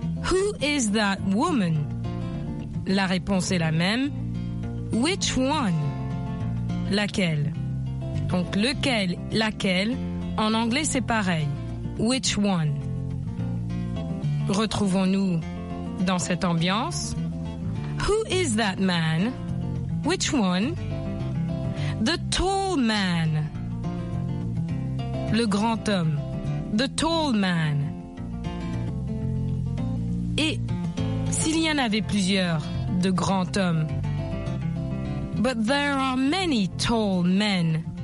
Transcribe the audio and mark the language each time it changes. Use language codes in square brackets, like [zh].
[en] Who is that woman? [fr] La réponse est la même. [en] Which one? [fr] Laquelle? Donc lequel, laquelle, en anglais c'est pareil. [en] Which one? [fr] Retrouvons-nous dans cette ambiance. [en] Who is that man? Which one? The tall man. [fr] le grand homme, [en] the tall man. [fr] Et s'il y en avait plusieurs de grands hommes? [en] But there are many tall men.